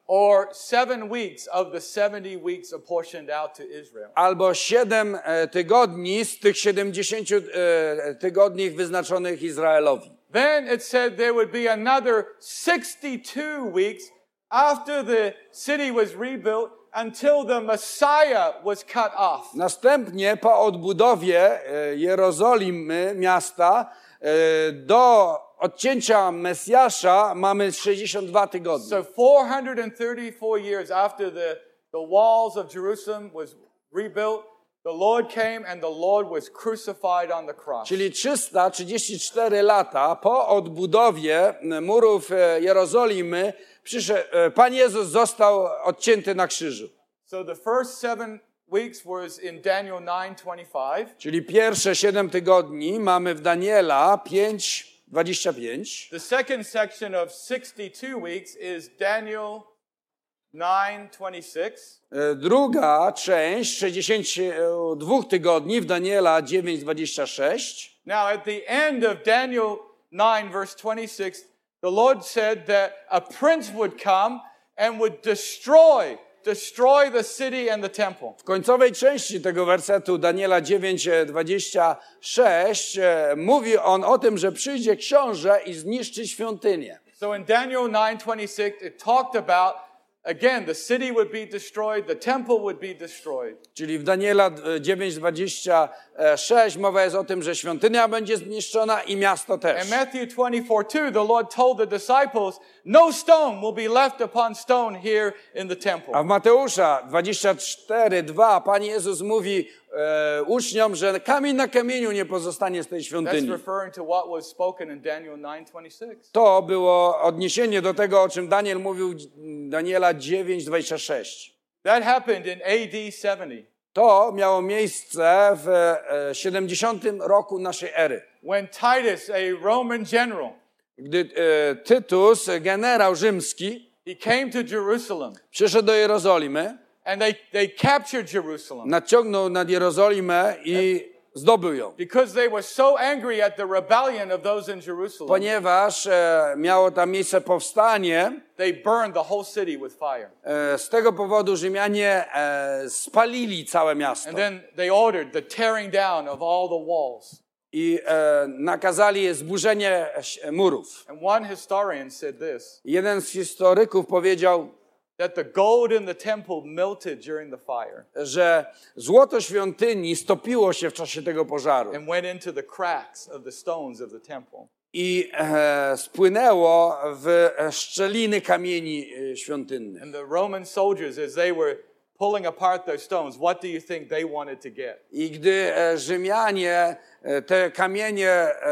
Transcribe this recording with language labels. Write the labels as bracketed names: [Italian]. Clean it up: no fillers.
[English] Or 7 weeks of the 70 weeks apportioned out to Israel. [Polish] Albo 7 tygodni z tych 70 tygodni wyznaczonych Izraelowi. [English] Then it said there would be another 62 weeks after the city was rebuilt until the Messiah was cut off. [Polish] Następnie po odbudowie Jerozolimy miasta do odcięcia Mesjasza mamy 62 tygodnie. [English] So 434 years after the walls of Jerusalem was rebuilt, the Lord came and the Lord was crucified on the cross. [Polish] Czyli 334 lata po odbudowie murów Jerozolimy Pan Jezus został odcięty na krzyżu. [English] So the first 7 weeks was in Daniel 9:25. [Polish] Czyli pierwsze 7 tygodni mamy w Daniela 5:25. [English] The second section of 62 weeks is Daniel 9:26. [Polish] Druga część 62 tygodni w Daniela 9:26. [English] Now at the end of Daniel 9:26, the Lord said that a prince would come and would destroy the city and the temple. [Polish] W końcowej części tego wersetu Daniela 9:26 mówi on o tym, że przyjdzie książę i zniszczy świątynię. [English] So in Daniel 9:26 it talked about again the city would be destroyed, the temple would be destroyed. [Polish] Czyli w Daniela 9:26 mowa jest o tym, że świątynia będzie zniszczona i miasto też. [English] In Matthew 24:2 the Lord told the disciples no stone will be left upon stone here in the temple. [Polish] A w Mateusza 24:2 Pan Jezus mówi uczniom, że kamień na kamieniu nie pozostanie z tej świątyni. [English] That's referring to what was spoken in Daniel 9:26. [Polish] To było odniesienie do tego, o czym Daniel mówił Daniela 9:26. [English] That happened in AD 70. [Polish] To miało miejsce w 70 roku naszej ery. [English] When Titus, a Roman general, [Polish] gdy Tytus, generał rzymski, [English] he came to Jerusalem. [Polish] Przyszedł do Jerozolimy. [English] And they captured Jerusalem. [Polish] Naciągnął nad Jerozolimę i zdobył ją. [English] Because they were so angry at the rebellion of those in Jerusalem. [Polish] Ponieważ miało tam miejsce powstanie. [English] They burned the whole city with fire. [Polish] Z tego powodu Rzymianie spalili całe miasto. [English] And then they ordered the tearing down of all the walls. [Polish] I nakazali zburzenie murów. [English] And one historian said this. [Polish] Jeden z historyków powiedział, [English] that the gold in the temple melted during the fire. [Polish] Że złoto świątyni stopiło się w czasie tego pożaru. [English] And went into the cracks of the stones of the temple. [Polish] I spłynęło w szczeliny kamieni świątynnych. [English] And the Roman soldiers, as they were pulling apart those stones, what do you think they wanted to get? [Polish] I gdy Rzymianie te kamienie